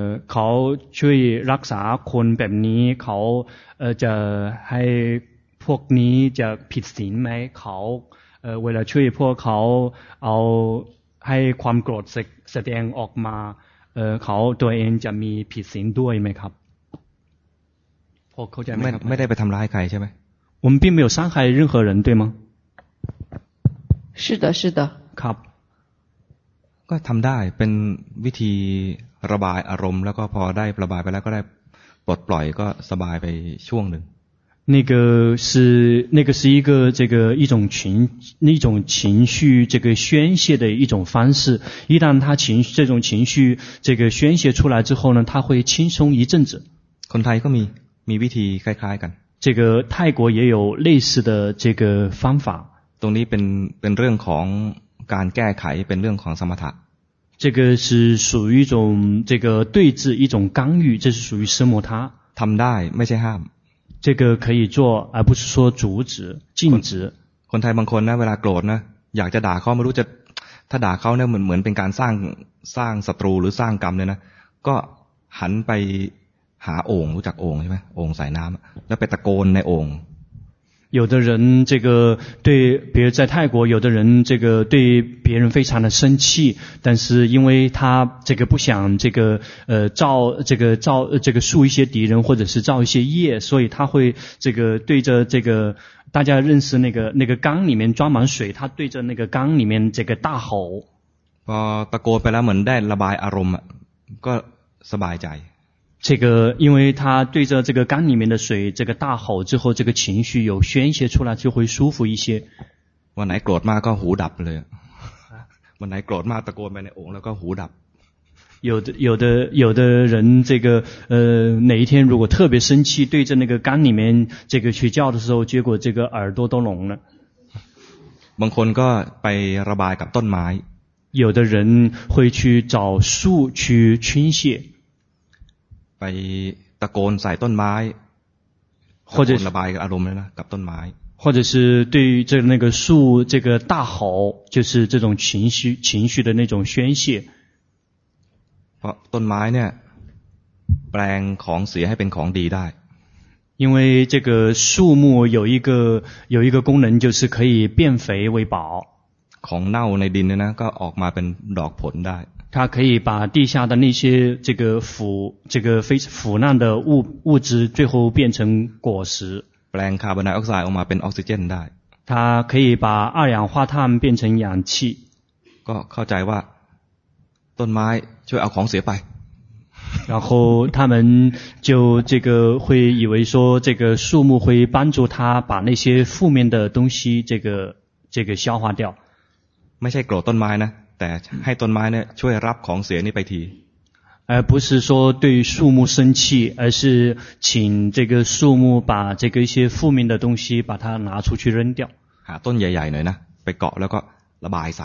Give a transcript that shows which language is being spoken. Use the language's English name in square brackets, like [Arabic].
[Thai] เขาช่วยรักษาคนแบบนี้เขาจะให้พวกนี้จะผิดศีลไหมเขาเวลาช่วยพวกเขาเอาให้ความโกรธแสดงออกมาเขาตัวเองจะมีผิดศีลด้วยไหมครับพอเข้าใจไหมครับ ไม่ได้ไปทำร้ายใครใช่ไหม ผม [Chinese] 并没有伤害任何人对吗是的是的 [Thai] ครับ ก็ทำได้เป็นวิธีระบายอารมณ์แล้วก็พอได้ระบายไปแล้วก็ได้ปลดปล่อยก็สบายไปช่วงหนึ่ง [Chinese] 那个是一个这个一种情绪这个宣泄的一种方式，一旦他情绪这种情绪这个宣泄出来之后呢，他会轻松一阵子。 [Thai] คนไทยก็มีวิธีคล้ายๆกัน [Chinese] 这个泰国也有类似的这个方法。 [Thai] ตรงนี้เป็นเรื่องของการแก้ไขเป็นเรื่องของสมถะ [Chinese] 这个是属于一种这个对治一种干预这是属于สมถะ [Thai] ทำได้ไม่ใช่ห้าม [Chinese] 这个可以做而不是说阻止禁止 [Thai] คนไทยบางคนนะเวลาโกรธนะอยากจะด่าเขาไม่รู้จะถ้าด่าเขาเนี่ยเหมือนเป็นการสร้างศัตรูหรือสร้างกรรมเลยนะก็หันไปหาโอ่งรู้จักโอ่งใช่ไหมโอ่งสายน้ำแล้วไปตะโกนในโอ่ง [Chinese] 有的人这个对别人在泰国有的人这个对别人非常的生气但是因为他这个不想这个造树一些敌人或者是造一些业所以他会这个对着这个大家认识那个缸里面装满水他对着那个缸里面这个大吼 [Thai] ตะโกนไปแล้วเหมือนได้ระบายอารมณ์ก็สบายใจ [Chinese] 这个因为他对着这个缸里面的水这个大吼之后这个情绪有宣泄出来就会舒服一些 [Thai] วันไหนโกรธมากก็หูดับเลยวันไหนโกรธมากตะโกนไปในโอ่งแล้วก็หูดับ [Chinese] 有的人这个哪一天如果特别生气对着那个缸里面这个去叫的时候结果这个耳朵都聋了 [Thai] บางคนก็ไประบายกับต้นไม้ [Chinese] 有的人会去找树去倾泻 [Thai] ไปตะโกนใส่ต้นไม้ [Chinese] 或者 [Thai] ระบายอารมณ์เลยนะกับต้นไม้ [Chinese] 或者是对于这那个树这个大吼就是这种情绪的那种宣泄 [Thai] เพราะต้นไม้เนี่ยแปลงของเสียให้เป็นของดีได้ [Chinese] 因为这个树木有一个功能就是可以变肥为宝 [Thai] ของเน่าในดินนะก็ออกมาเป็นดอกผลได้ [Chinese] 它可以把地下的那些这个腐烂的物质最后变成果实。 [Thai] แปลงคาร์บอนไดออกไซด์ออกมาเป็นออกซิเจนได้。 [Chinese] 它可以把二氧化碳变成氧气。 [Thai] ก็เข้าใจว่าต้นไม้ช่วยเอาของเสียไป。 [Chinese] 然后他们就这个会以为说这个树木会帮助他把那些负面的东西这个消化掉。 [Thai] ไม่ใช่โกรธต้นไม้นะแต่ให้ต้นไม้เนี่ยช่วยรับของเสียนี่ไปที [Chinese] 不是说对树木生气而是请这个树木把这个一些负面的东西把它拿出去扔掉 [Thai] หาต้นใหญ่ๆหน่อยนะไปเกาะแล้วก็ระบายใส